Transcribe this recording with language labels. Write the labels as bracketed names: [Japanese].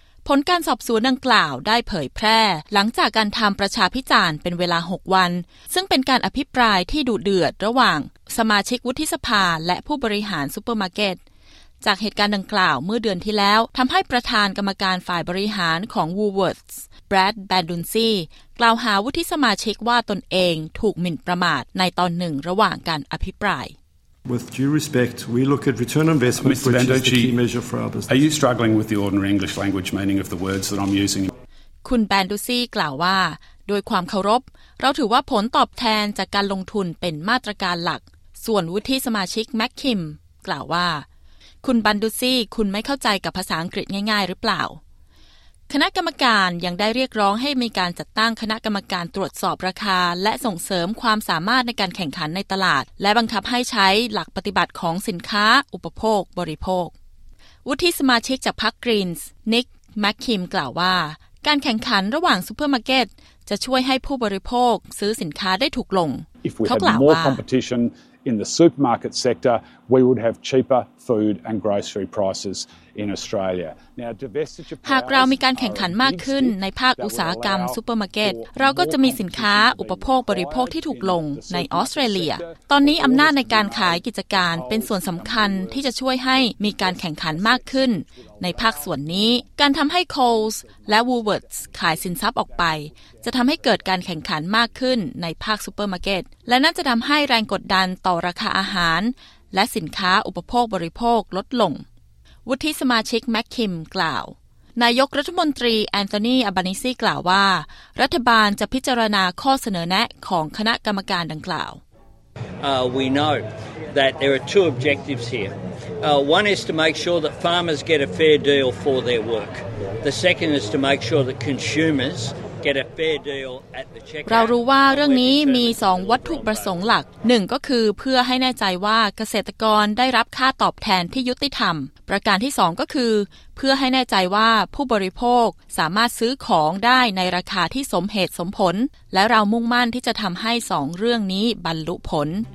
[Thai] ผลการสอบสวนดังกล่าวได้เผยแพร่หลังจากการทำประชาพิจารณ์เป็นเวลา6วันซึ่งเป็นการอภิปรายที่ดุเดือดระหว่างสมาชิกวุฒิสภาและผู้บริหารซูเปอร์มาร์เก็ตจากเหตุการณ์ดังกล่าวเมื่อเดือนที่แล้วทำให้ประธานกรรมการฝ่ายบริหารของ Woolworths Brad Banducci กล่าวหาวุฒิสมาชิกว่าตนเองถูกหมิ่นประมาทในตอนหนึ่งระหว่างการอภิปราย [English] With due respect we look at return on investment Mr. Banducci, which is the key measure for our business Are you struggling with the ordinary English language meaning of the words that I'm using [Thai] คุณ Banducci กล่าวว่าโดยความเคารพเราถือว่าผลตอบแทนจากการลงทุนเป็นมาตรการหลักส่วนวุฒิสมาชิกแมคคิมกล่าวว่าคุณบันดูซี่คุณไม่เข้าใจกับภาษาอังกฤษง่ายๆหรือเปล่า คณะกรรมการยังได้เรียกร้องให้มีการจัดตั้งคณะกรรมการตรวจสอบราคาและส่งเสริมความสามารถในการแข่งขันในตลาดและบังคับให้ใช้หลักปฏิบัติของสินค้าอุปโภคบริโภควุฒิสมาชิกจากพรรคกรีนส์นิกแมคคิมกล่าวว่าการแข่งขันระหว่างซูเปอร์มาร์เก็ตจะช่วยให้ผู้บริโภคซื้อสินค้าได้ถูกลงเขากล่าวว่า [English] competition in the supermarket sector we would have cheaper food and grocery prices in Australia now [Thai] divestiture หากเรามีการแข่งขันมากขึ้นในภาคอุตสาหกรรมซูเปอร์มาร์เก็ตเราก็จะมีสินค้าอุปโภคบริโภคที่ถูกลงในออสเตรเลียตอนนี้อำนาจในการขายกิจการเป็นส่วนสำคัญที่จะช่วยให้มีการแข่งขันมากขึ้นในภาคส่วนนี้การทำให้ Coles และ Woolworths ขายสินทรัพย์ออกไป จะทำให้เกิดการแข่งขันมากขึ้นในภาคซูเปอร์มาร์เก็ตและน่าจะทำให้แรงกดดันต่อราคาอาหารและสินค้าอุปโภคบริโภคลดลงวุฒิสมาชิกแมคคิมกล่าวนายกรัฐมนตรีแอนโทนีอัลบานิซีกล่าวว่ารัฐบาลจะพิจารณาข้อเสนอแนะของคณะกรรมการดังกล่าว [English] We know that there are two objectives hereOne is to make sure that farmers get a fair deal for their work. The second is to make sure that consumers get a fair deal at the checkout. [Thai] เรารู้ว่าเรื่องนี้มี2วัตถุประสงค์หลัก1ก็คือเพื่อให้แน่ใจว่าเกษตรกรได้รับค่าตอบแทนที่ยุติธรรมประการที่2ก็คือเพื่อให้แน่ใจว่าผู้บริโภคสามารถซื้อของได้ในราคาที่สมเหตุสมผลและเรามุ่งมั่นที่จะทำให้2เรื่องนี้บรรลุผล